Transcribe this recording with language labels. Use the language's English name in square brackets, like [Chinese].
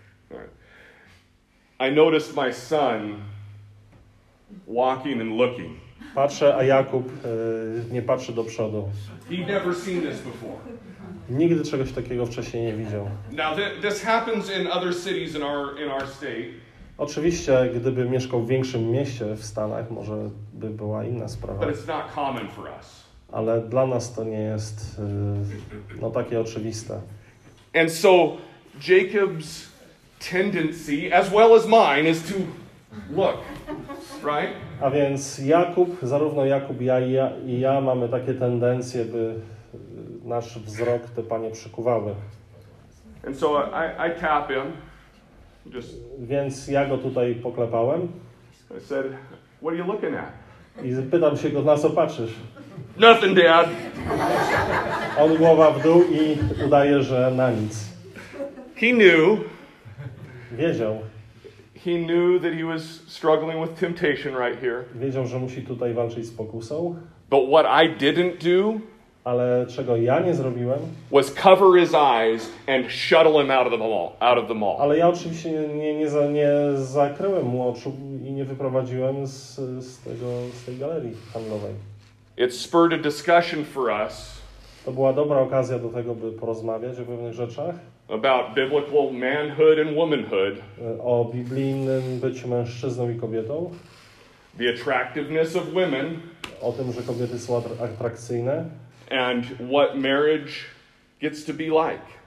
[English] All right. I noticed my son walking and looking. [Polish] Patrzę, a Jakub nie patrzy do przodu. [English] He'd never seen this before. [Polish] Nigdy czegoś takiego wcześniej nie widział. [English] Now this happens in other cities in our state. [Polish] Oczywiście, gdyby mieszkał w większym mieście w Stanach, może by była inna sprawa. [English] But it's not common for us. [Polish] Ale dla nas to nie jest no takie oczywiste. [English] And so Jacob's tendency, as well as mine, is to look, right? [Polish] A więc Jakub, zarówno Jakub, ja mamy takie tendencje, by nasz wzrok te panie przykuwały. [English] And so I tap him. Just. [Polish] Więc ja go tutaj poklepałem. [English] I said, what are you looking at? [Polish] I pytam się go, na co patrzysz? [English] Nothing, Dad. [Polish] On głowa w dół i udaje, że na nic. [English] He knew. [Polish] Wiedział. [English] He knew that he was struggling with temptation right here. [Polish] Wiedział, że musi tutaj walczyć z pokusą. [English] But what I didn't do. [Polish] Ale czego ja nie zrobiłem. [English] Was cover his eyes and shuttle him out of the mall. [Polish] Ale ja oczywiście nie zakryłem mu oczu i nie wyprowadziłem z tej galerii handlowej. [English] It spurred a discussion for us. [Polish] To była dobra okazja do tego, by porozmawiać o pewnych rzeczach. [English] About biblical manhood and womanhood. [Polish] O biblijnym byciu mężczyzną i kobietą. [English] The attractiveness of women. [Polish] O tym, że kobiety są atrakcyjne. [English] And what marriage gets to be like.